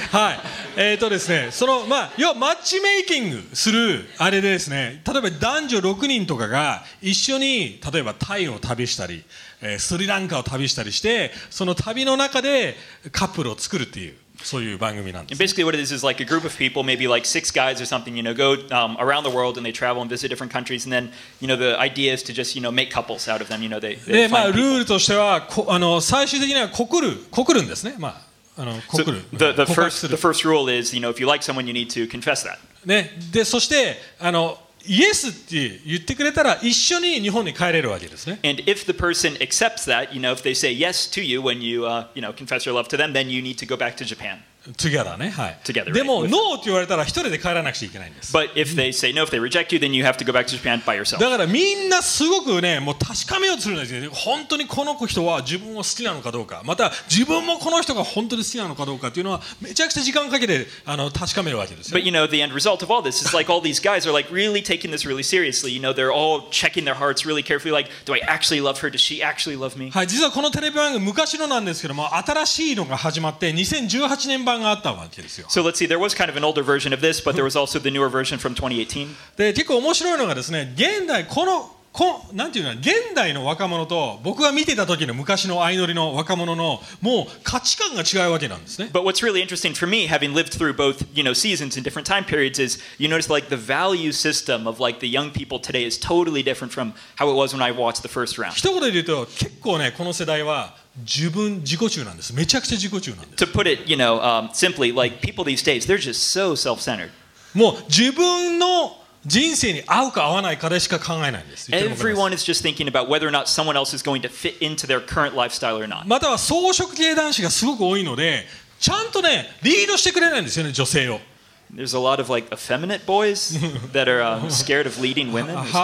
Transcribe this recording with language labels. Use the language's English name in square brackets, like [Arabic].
[Japanese] はい。ですね、その、まあ、要はマッチメイキングするあれでですね、例えば男女6人とかが一緒に、例えばタイを旅したり、スリランカを旅したりして、その旅の中でカップルを作るっていう。そういう番組なんです、ね。 [English] Basically, what it is like a group of people, maybe like six guys or something, you know, go around the world and they travel and visit different countries, and then, you know, the idea is to just, you know, make couples out of them, you know, they find people. [Japanese] ルールとしては、最終的には告るんですね。まあ、告る。 [English] So、the first rule is, you know, if you like someone, you need to confess that. [Japanese] ね、で、そして、イエスって言ってくれたら一緒に日本に帰れるわけですね。 [English] And if the person accepts that, you know, if they say yes to you when you, you know, confess your love to them, then you need to go back to Japan. Together, [Japanese] ね、はい。 [English] Together. [Japanese] でも、ノーって言われたら一人で帰らなくちゃいけないんです。 [English] But if they say no, if they reject you, then you have to go back to Japan by yourself. [Japanese] だからみんなすごくね、もう確かめようとするんですよ。本当にこの人は自分を好きなのかどうか、また自分もこの人が本当に好きなのかどうかっていうのはめちゃくちゃ時間かけて確かめるわけですよ。 [English] But you know, the end result of all this is like all these guys are like really taking this really seriously. You know, they're all checking their hearts really carefully. Like, do I actually love her? Does she actually love me? [Japanese] はい、実はこのテレビ番組昔のなんですけども、新しいのが始まって2018年版 [English] So let's see, there was kind of an older version of this, but there was also the newer version from 2018. [Japanese] で、結構面白いのがですね、現代この、なんていうの、現代の若者と僕が見てた時の昔の相乗りの若者のもう価値観が違うわけなんですね。 [English] But what's really interesting for me, having lived through both, you know, seasons and different time periods, is you notice like the value system of like the young people today is totally different from how it was when I watched the first round. [Japanese] 一言で言うと、結構ね、この世代は自己中なんです。めちゃくちゃ自己中なんです。 [English] To put it, you know, simply, like people these days, they're just so self-centered. [Japanese] もう自分の人生に合うか合わないかでしか考えないんです。 [English] Everyone is just thinking about whether or not someone else is going to fit into their current lifestyle or not. [Japanese] または草食系男子がすごく多いので、ちゃんとね、リードしてくれないんですよね、女性を。 [English] There's a lot of like effeminate boys that are scared of leading women.